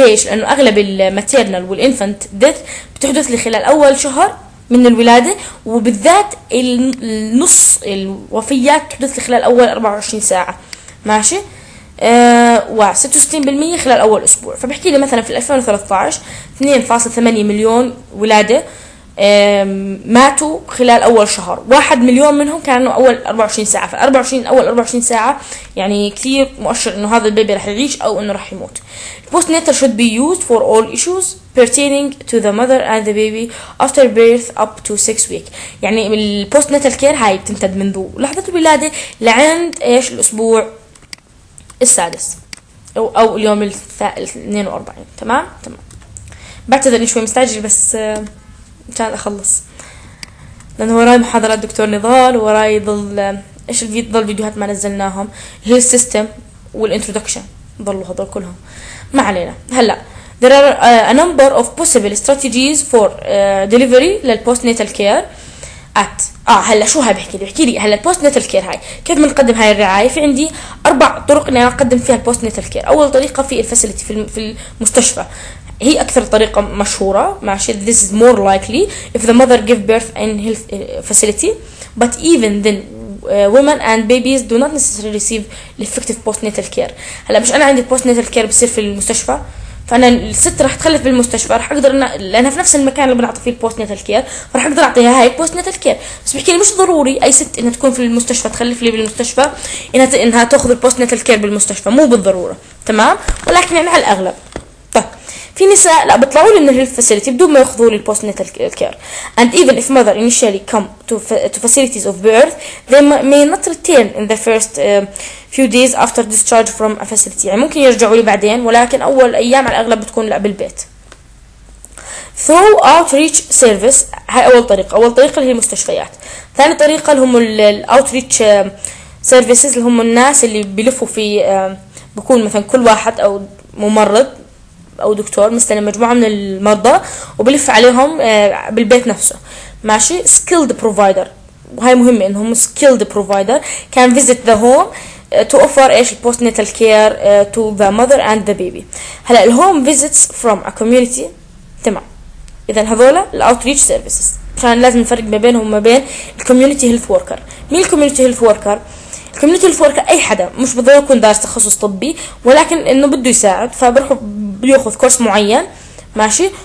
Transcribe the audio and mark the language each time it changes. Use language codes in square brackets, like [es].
[ar] ليش؟ لانه اغلب [en] الماتيرنال والانفنت ديث [ar] بتحدث لي خلال اول شهر من الولاده، وبالذات النص الوفيات تحدث لي خلال اول 24 ساعه، ماشي، و 66% خلال اول اسبوع. فبحكي لي مثلا في 2013 2.8 مليون ولاده ماتوا خلال اول شهر، 1 مليون منهم كانوا اول 24 ساعه، ف 24 اول 24 ساعه يعني كثير مؤشر انه هذا البيبي رح يعيش او انه رح يموت. [en] البوست نيتال should be used for all issues pertaining to the mother and the baby after birth up to 6 weeks. [ar] يعني البوست نيتال كير هاي بتمتد منذ لحظه الولاده لعند ايش الاسبوع السادس او اليوم 42، تمام. بعتذر اني شوي مستعجل بس كان اخلص لانه وراي محاضرات دكتور نضال، وراي ضل ايش الفيديوهات ما نزلناهم، هي السيستم والانترودكشن ضلوا هذول كلهم. ما علينا. هلا [en] there are a number of possible strategies for delivery [ar] للبوستنيتال كير at هلا شو هاي بحكي لي؟ بحكي لي هلا البوستنيتال كير هاي كيف بنقدم هاي الرعايه؟ في عندي اربع طرق اني اقدم فيها البوستنيتال كير. اول طريقه في الفاسيلتي في المستشفى, هي اكثر طريقه مشهوره, ماشي. [en] This is more likely if the mother give birth in health facility, but even then women and babies do not necessarily receive effective postnatal care. [ar] هلا مش انا عندي postnatal care بصير في المستشفى, فانا الست رح تخلف بالمستشفى رح اقدر لانها في نفس المكان اللي بنعطي فيه postnatal care رح اقدر اعطيها هاي postnatal care. بس بحكي لي مش ضروري اي ست انها تكون في المستشفى تخلف لي بالمستشفى انها تاخذ postnatal care بالمستشفى, مو بالضروره, تمام. ولكن يعني على الاغلب في نساء لا بيطلعوا لي من الهيلث فاسيلتي بدون ما ياخذوا لي البوستنيتال كير. [en] And even if mother initially come to facilities of birth, they may not return in the first few days after discharge from a facility. [ar] يعني ممكن يرجعوا لي بعدين, ولكن اول ايام على الاغلب بتكون لا بالبيت. [en] Through outreach service, [ar] هاي اول طريقه. اول طريقه اللي هي المستشفيات. ثاني طريقه اللي هم الاوتريتش سيرفيسز, اللي هم الناس اللي بيلفوا في بكون مثلا كل واحد او ممرض او دكتور مثلا مجموعه من المرضى وبلف عليهم بالبيت نفسه, ماشي. [en] skilled provider, [ar] وهي مهمه انهم [en] skilled provider can visit the home to offer ايش postnatal care to the mother and the baby. [ar] هلا [en] الهوم visits from a community, [ar] تمام. اذا هذول الاوتريتش سيرفيسز, عشان لازم نفرق ما بينهم وما بين الكوميونتي هيلث وركر. مين الكوميونتي هيلث وركر؟ الكوميونتي هيلث وركر اي حدا مش بده يكون دارس تخصص طبي, ولكن انه بده يساعد فبروحوا بياخذ كورس معين, ماشي.